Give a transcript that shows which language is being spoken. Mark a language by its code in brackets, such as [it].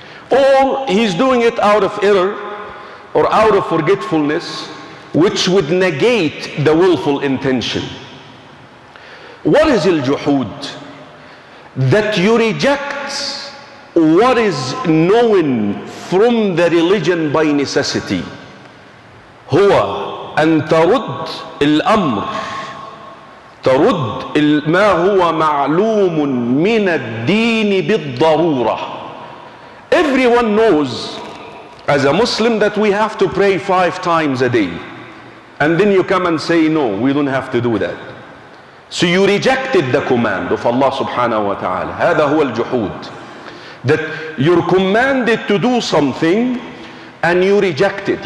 [en] Or he's doing it out of error or out of forgetfulness, which would negate the willful intention. What is al-juhud? That you reject what is known from the religion by necessity. [ar] هو أن ترد الأمر ترد ما هو معلوم من الدين بالضرورة. [en] Everyone knows as a Muslim that we have to pray 5 times a day, and then you come and say no, we don't have to do that. So you rejected the command of Allah subhanahu wa ta'ala. [ar] هذا هو الجحود. [en] That you're commanded to do something and you reject it.